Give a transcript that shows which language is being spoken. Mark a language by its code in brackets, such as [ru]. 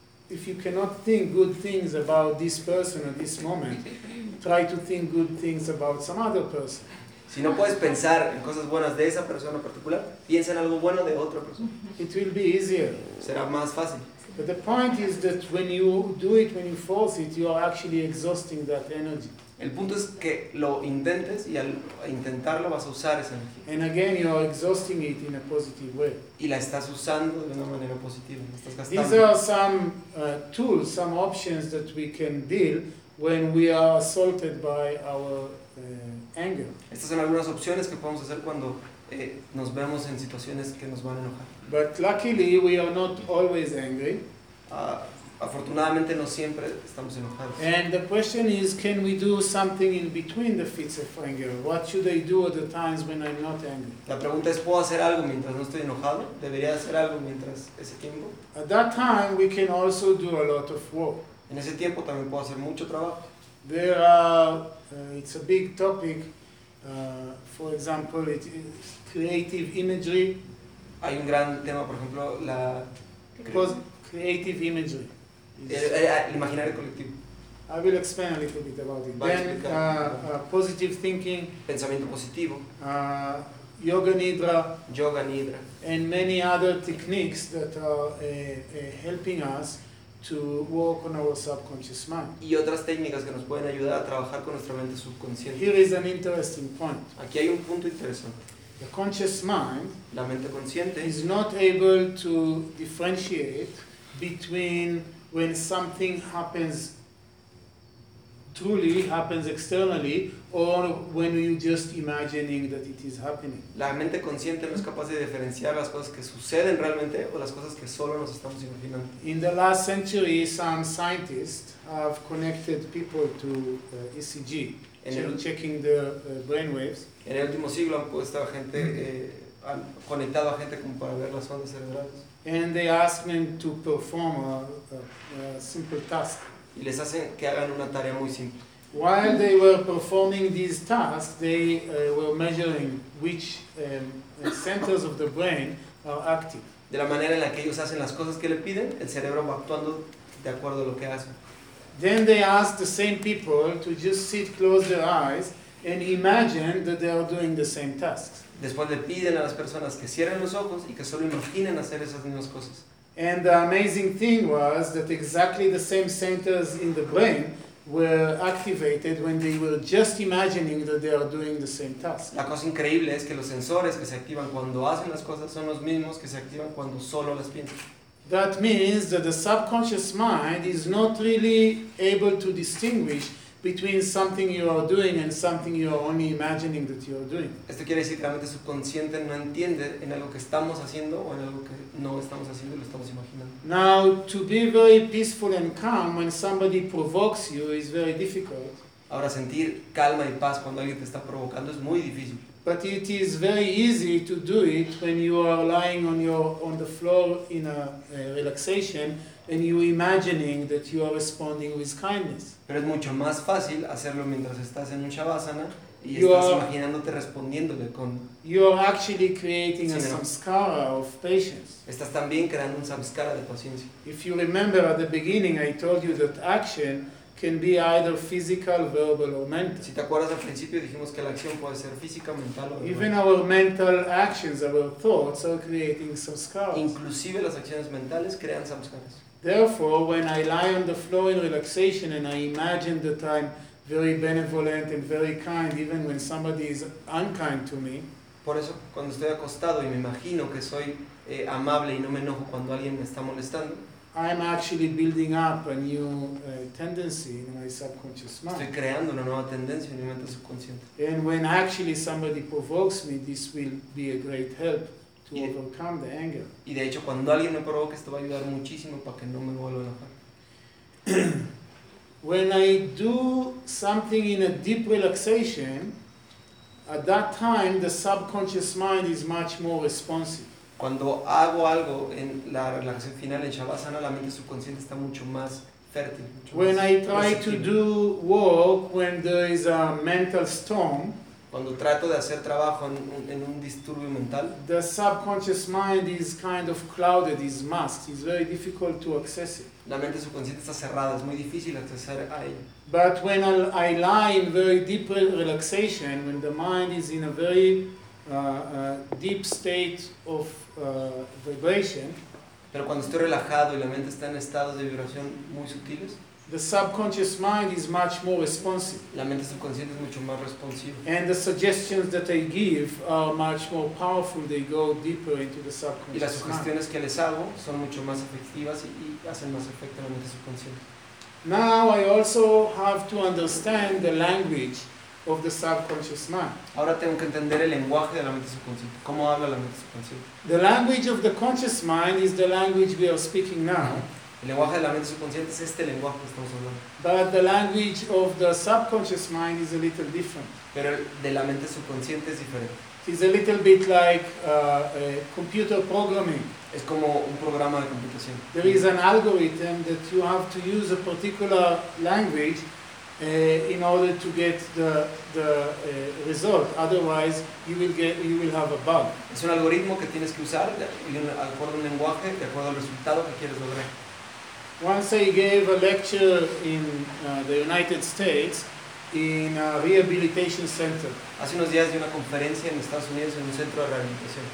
[en] If you cannot think good things about this person at this moment, try to think good things about some other person. [es] Si no puedes pensar en cosas buenas de esa persona en particular, piensa en algo bueno de otra persona. [en] It will be easier. [es] Será más fácil. [en] But the point is that when you do it, when you force it, you are actually exhausting that energy. [es] El punto es que lo intentes y al intentarlo vas a usar esa energía. [en] And again, you are exhausting it in a positive way. [es] Y la estás usando de una manera positiva. La estás gastando. [en] These are some tools, some options that we can deal when we are assaulted by our anger. [es] Estas son algunas opciones que podemos hacer cuando nos vemos en situaciones que nos van a enojar. [en] But luckily we are not always angry. [es] Afortunadamente no siempre estamos enojados. [en] And the question is, can we do something in between the fits of anger? What should I do at the times when I'm not angry? [es] La pregunta es, ¿puedo hacer algo mientras no estoy enojado? ¿Debería hacer algo mientras ese tiempo? [en] At that time we can also do a lot of work. [es] En ese tiempo también puedo hacer mucho trabajo. [en] There are it's a big topic. For example, it is creative imagery. [es] Hay un gran tema, por ejemplo, la [en] creative imagery. [es] El imaginario colectivo. [en] I will explain a little bit about it. Then positive thinking. [es] Pensamiento positivo. [en] Yoga nidra. [es] Yoga nidra. [en] And many other techniques that are helping us to work on our subconscious mind. [es] Y otras técnicas que nos pueden ayudar a trabajar con nuestra mente subconsciente. [en] Here is an interesting point. [es] Aquí hay un punto interesante. [en] The conscious mind, [es] la mente consciente, [en] is not able to differentiate between when something happens truly, happens externally, or when you're just imagining that it is happening. [es] La mente consciente no es capaz de diferenciar las cosas que suceden realmente o las cosas que solo nos estamos imaginando. [en] In the last century, some scientists have connected people to ECG, checking the brain waves. [es] En el último siglo han puesto a gente, han conectado a gente como para ver las ondas cerebrales. [en] And they ask them to perform a simple task. [es] Y les hacen que hagan una tarea muy simple. [en] While they were performing these tasks, they were measuring which centers of the brain are active. [es] De la manera en la que ellos hacen las cosas que le piden, el cerebro va actuando de acuerdo a lo que hacen. [en] Then they asked the same people to just sit, close their eyes, and imagine that they are doing the same tasks. [es] Después le piden a las personas que cierren los ojos y que solo imaginen hacer esas mismas cosas. [en] And the amazing thing was that exactly the same centers in the brain were activated when they were just imagining that they are doing the same task. [es] La cosa increíble es que los sensores que se activan cuando hacen las cosas son los mismos que se activan cuando solo las piensan. [en] That means that the subconscious mind is not really able to distinguish between something you are doing and something you are only imagining that you are doing. [es] Esto quiere decir que la mente subconsciente no entiende en algo que estamos haciendo o en algo que no estamos haciendo y lo estamos imaginando. [en] Now, to be very peaceful and calm when somebody provokes you is very difficult. [es] Ahora, sentir calma y paz cuando alguien te está provocando es muy difícil. [en] But it is very easy to do it when you are lying on the floor in a relaxation and you imagining that you are responding with kindness. [es] Pero es mucho más fácil hacerlo mientras estás en un shavasana y [en] you [es] estás [en] are, [es] imaginándote respondiéndole con. [en] You are actually creating a samskara of patience. [es] Estás también creando un samskara de paciencia. [en] If you remember at the beginning, I told you that action can be either physical, verbal, or mental. [es] Si te acuerdas al principio dijimos que la acción puede ser física, mental o [en] verbal. Even our mental actions, our thoughts are creating samskaras. [es] Inclusive las acciones mentales crean samskaras. [en] Therefore, when I lie on the floor in relaxation and I imagine that I'm very benevolent and very kind, even when somebody is unkind to me. [es] Por eso, cuando estoy acostado y me imagino que soy amable y no me enojo cuando alguien me está molestando. [en] I'm actually building up a new tendency in my subconscious mind. [es] Estoy creando una nueva tendencia en mi mente subconsciente. [en] And when actually somebody provokes me, this will be a great help to overcome the anger. [es] Y de hecho, cuando alguien me provoque, esto va a ayudar muchísimo para que no me vuelva a enojar. [en] When I do something in a deep relaxation, at that time the subconscious mind is much more responsive. [es] Cuando hago algo en la relajación final en Shavasana, la mente subconsciente está mucho más fértil. Mucho [en] when [es] más [en] I try to do work when there is a mental storm, [es] cuando trato de hacer trabajo en un disturbio mental, [en] the subconscious mind is kind of clouded, is masked, is very difficult to access it. [es] La mente subconsciente está cerrada, es muy difícil accesar a ella. [en] But when I lie in very deep relaxation, when the mind is in a very deep state of vibration. [es] Pero cuando estoy relajado y la mente está en estados de vibración muy sutiles, [en] the subconscious mind is much more responsive. [es] La mente subconsciente es mucho más responsiva. [en] And the suggestions that I give are much more powerful. They go deeper into the subconscious mind. [es] Y las sugestiones que les hago son mucho más efectivas y hacen más efecto en la mente subconsciente. [en] Now I also have to understand the language of the subconscious mind. [es] Ahora tengo que entender el lenguaje de la mente subconsciente. ¿Cómo habla la mente subconsciente? [en] The language of the conscious mind is the language we are speaking now. [es] El lenguaje de la mente subconsciente es este lenguaje que estamos hablando. [en] But the language of the subconscious mind is a little different. [es] Pero el de la mente subconsciente es diferente. [en] It's a little bit like computer programming. [es] Es como un programa de computación. [en] There is an algorithm that you have to use a particular language in order to get the result, otherwise you will have a bug. [es] Es un algoritmo que tienes que usar de acuerdo a un lenguaje, de acuerdo al resultado que quieres lograr. [en] Once I gave a lecture in the United States in a rehabilitation center. [es] Hace unos días di una conferencia en Estados Unidos en un centro de rehabilitación.